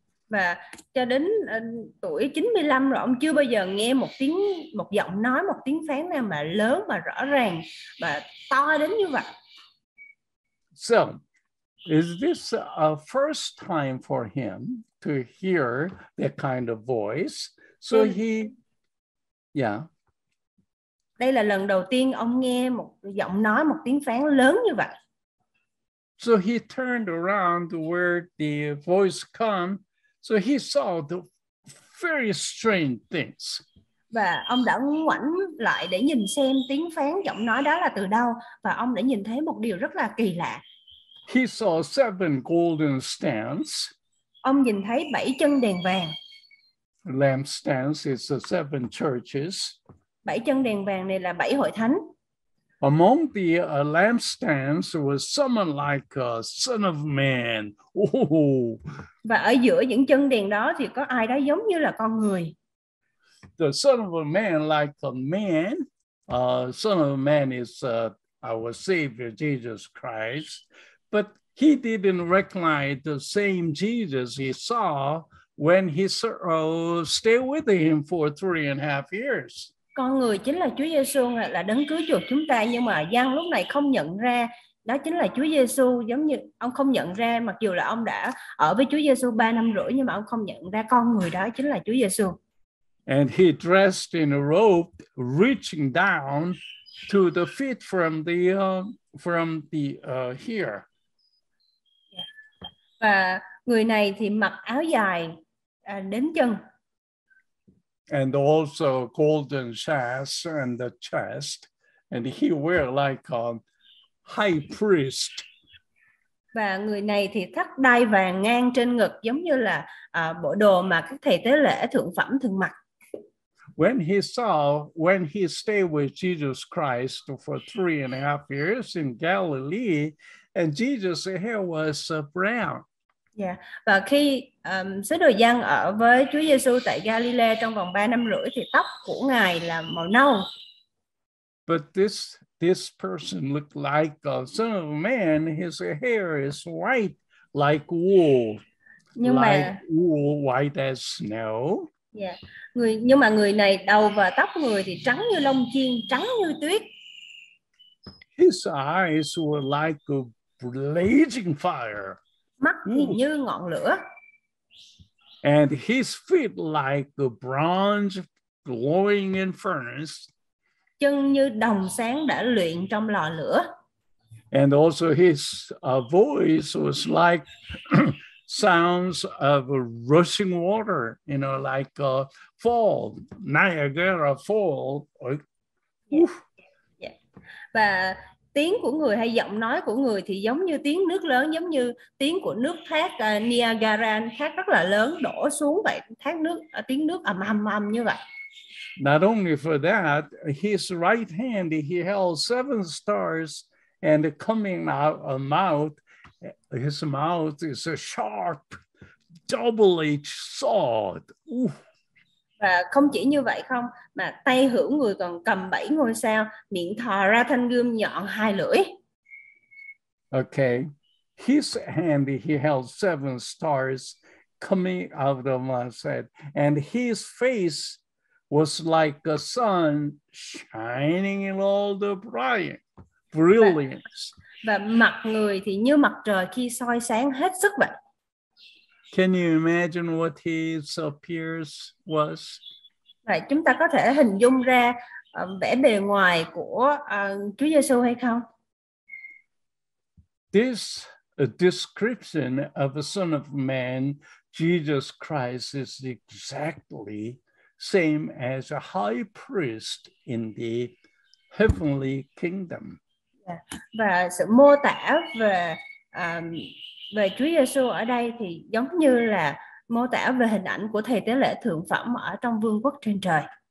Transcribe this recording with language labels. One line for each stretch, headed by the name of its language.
Vietnamese: Và cho đến tuổi 95 rồi, ông chưa bao giờ nghe một tiếng, một giọng nói, một tiếng phán nào mà lớn mà rõ ràng và to đến như vậy.
English: So, is this a first time for him to hear that kind of voice? So
Vietnamese: đây là lần đầu tiên ông nghe một giọng nói, một tiếng phán lớn như vậy.
English: So he turned around where the voice come. So he saw the very strange things.
Vietnamese: Và ông đã ngoảnh lại để nhìn xem tiếng phán giọng nói đó là từ đâu, và ông đã nhìn thấy một điều rất là kỳ lạ.
English: He saw seven golden stands.
Vietnamese: Ông nhìn thấy bảy chân đèn vàng.
English: Lamp stands is the seven churches.
Vietnamese: Bảy chân đèn vàng này là bảy hội thánh.
English: Among the lamp stands was someone like a son of man. Oh.
Vietnamese: Và ở giữa những chân đèn đó thì có ai đó giống như là con người.
English: The son of a man like a man. Son of a man is our Savior Jesus Christ. But he didn't recognize the same Jesus he saw when he stayed with him for 3.5 years.
Vietnamese: Con người chính là Chúa Giêsu, là đấng cứu chuộc chúng ta, nhưng mà Giăng lúc này không nhận ra đó chính là Chúa Giêsu, giống như ông không nhận ra, mặc dù là ông đã ở với Chúa Giêsu 3 năm rưỡi, nhưng mà ông không nhận ra con người đó chính là Chúa Giêsu.
English: And he dressed in a robe reaching down to the feet from the here.
Vietnamese: Và người này thì mặc áo dài đến chân.
English: and also golden sash and the chest, and he wear like a high priest.
Vietnamese: Và người này thì thắt đai vàng ngang trên ngực giống như là bộ đồ mà các thầy tế lễ thượng phẩm thường mặc.
English: When he saw, when he stayed with Jesus Christ for 3.5 years in Galilee, and Jesus' hair was brown. Yeah.
Vietnamese: Và khi sứ đồ Giăng ở với Chúa Giêsu tại Galilee trong vòng 3.5 năm thì tóc của ngài là màu nâu.
English: But this person looked like a son of man. His hair is white like wool.
Vietnamese: Nhưng mà
English: like wool white as snow. Yeah.
Vietnamese: Nhưng mà người này đầu và tóc người thì trắng như lông chiên, trắng như tuyết.
English: His eyes were like a blazing fire.
Vietnamese: Mắt thì như ngọn lửa.
English: And his feet like a bronze glowing in furnace.
Vietnamese: Chân như đồng sáng đã luyện trong lò lửa.
English: And also his voice was like sounds of rushing water, you know, like a fall, Niagara fall. Yeah.
Vietnamese: Và tiếng của người hay giọng nói của người thì giống như tiếng nước lớn, giống như tiếng của nước thác Niagara, thác rất là lớn đổ xuống vậy, thác nước, tiếng nước ầm ầm ầm như vậy.
English: Not only for that, his right hand he held 7 stars and coming out a mouth. His mouth is a sharp, double-edged sword. Ooh.
Vietnamese: Và không chỉ như vậy không, mà tay hữu người còn cầm 7 ngôi sao, miệng thò ra thanh gươm nhọn 2 lưỡi.
English: Okay, his hand he held 7 stars coming out of the mouth said, and his face was like a sun shining in all the brilliance.
Vietnamese: Và mặt người thì như mặt trời khi soi sáng hết sức vậy.
English: Can you imagine what his appearance was?
Vietnamese: Vậy chúng ta có thể hình dung ra vẻ bề ngoài của Chúa Giêsu hay không?
English: This description of the Son of Man, Jesus Christ, is exactly same as a high priest in the heavenly kingdom.
Vietnamese: Và sự mô tả về về Chúa Giêsu ở đây thì giống như là mô tả về hình ảnh của thầy tế lễ thượng phẩm ở trong vương quốc trên trời.